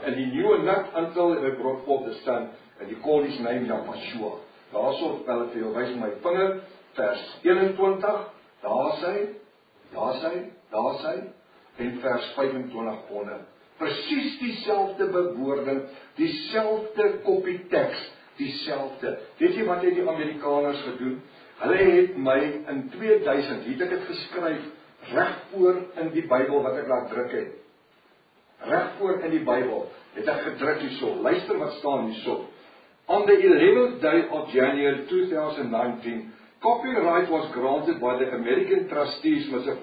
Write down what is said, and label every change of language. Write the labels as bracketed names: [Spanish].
[English] And he knew not until he brought forth the son, and he called his name Yahashua. [Afrikaans] Daar is ons, bel het vir jou, wys my vinger. Vers 21. Daar is hy. En vers 25 onder. Precies dieselfde bewoording, dieselfde copy text, dieselfde. Weet jy wat het die Amerikaners gedoen? Hulle het my in 2000, het ek het geskryf, recht voor in die Bybel wat ek laat druk het. Recht voor in die Bybel het ek gedruk hierso. Luister wat staan hierso. [English] On the 11th day of January 2019, copyright was granted by the American trustees, Mr.